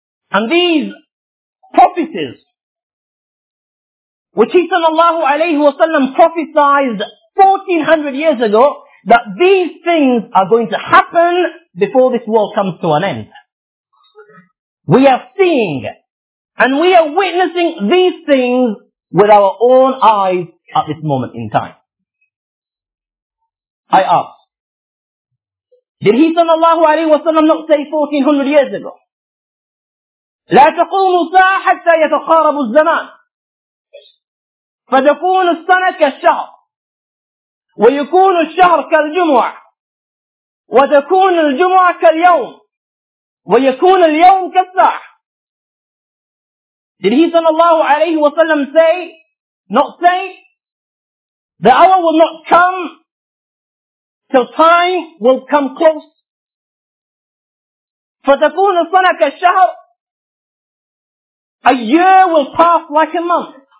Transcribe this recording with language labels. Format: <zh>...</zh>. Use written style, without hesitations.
<en>And these prophecies, which He sallallahu alayhi wa sallam prophesied 1400 years ago, that these things are going to happen before this world comes to an end. We are seeing and we are witnessing these things with our own eyes at this moment in time. I ask, did He sallallahu alayhi wa sallam not say 1400 years ago,</en> <ar>لا تقوم ساعة حتى يتقارب الزمان فتكون السنة كالشهر ويكون الشهر كالجمعة وتكون الجمعة كاليوم ويكون اليوم كالساعة.</ar> <en>Did He sallallahu alayhi wa sallam not say the hour will not come till time will come close,</en> <ar>فتكون السنة كالشهر,</ar> <en>a year will pass like a month.</en>